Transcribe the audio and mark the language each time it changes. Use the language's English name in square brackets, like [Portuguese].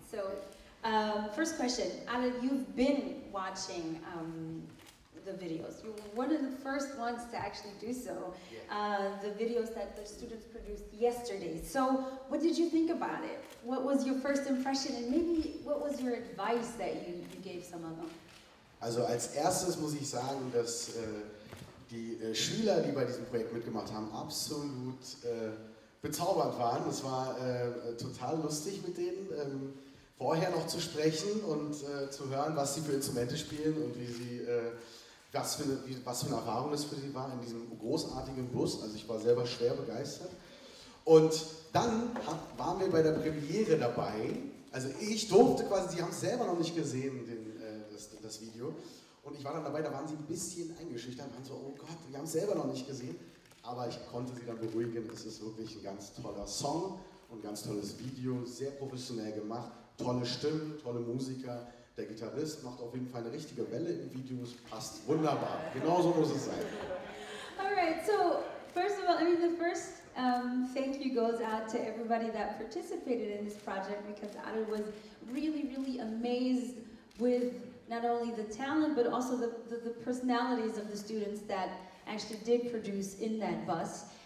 [English] So, first question, Adi, you've been watching the videos. You're one of the first ones to actually do so. Yeah. The videos that the students produced yesterday. So, what did you think about it? What was your first impression, and maybe what was your advice that you gave some of them? [German] Also als erstes muss ich sagen, dass die Schüler, die bei diesem Projekt mitgemacht haben, absolut bezaubernd waren. Es war total lustig mit denen vorher noch zu sprechen und zu hören, was sie für Instrumente spielen und wie sie was für eine Erfahrung das für sie war in diesem großartigen Bus. Also ich war selber schwer begeistert. Und dann waren wir bei der Premiere dabei. Also ich durfte quasi, sie haben es selber noch nicht gesehen, das Video. Und ich war dann dabei, da waren sie ein bisschen eingeschüchtert und waren so, oh Gott, wir haben es selber noch nicht gesehen. Aber ich konnte sie dann beruhigen, es ist wirklich ein ganz toller Song und ein ganz tolles Video, sehr professionell gemacht, tolle Stimmen, tolle Musiker. Der Gitarrist macht auf jeden Fall eine richtige Welle in Videos, passt wunderbar. Genau so muss es sein. [English] Alright, so first of all, I mean the first thank you goes out to everybody that participated in this project because Adel was really, really amazed with not only the talent but also the personalities of the students that actually did produce in that bus.